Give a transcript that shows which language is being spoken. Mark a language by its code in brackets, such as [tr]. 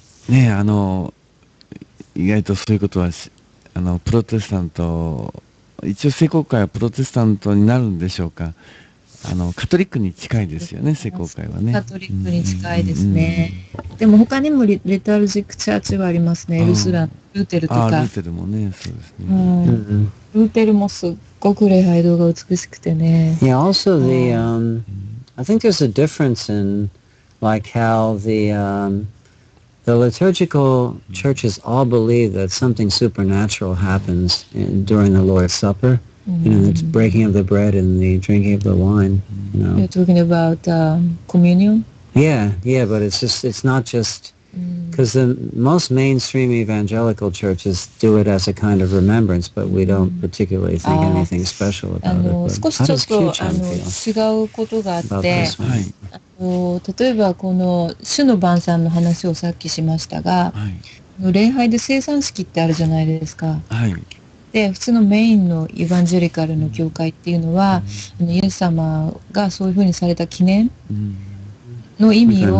[ja] ねえ、あの意外とそういうことはあのプロテスタント、一応聖公会はプロテスタントになるんでしょうか、あのカトリックに近いですよね、聖公会はね、カトリックに近いですね、うんうんうん、でも他にも リタルジックチャーチはありますね、ルスラン、ルーテルとか、あールーテルもね、そうですね、うんうん、ルーテルもすっごく礼拝堂が美しくてね、 [en] Yeah, also the、I think there's a difference in like how the、the liturgical churches all believe that something supernatural happens during the Lord's Supper. You know, the breaking of the bread and the drinking of the wine. You know. You're talking about communion? Yeah, yeah, but it's not just... Because the most mainstream evangelical churches do it as a kind of remembrance, but we don't particularly think anything special about it. But how does Q-chan feel about this one? [ja] 例えばこの主の晩餐の話をさっきしましたが、はい、礼拝で聖餐式ってあるじゃないですか、はい、で普通のメインのエヴァンジェリカルの教会っていうのは、うん、あのイエス様がそういうふうにされた記念の意味を、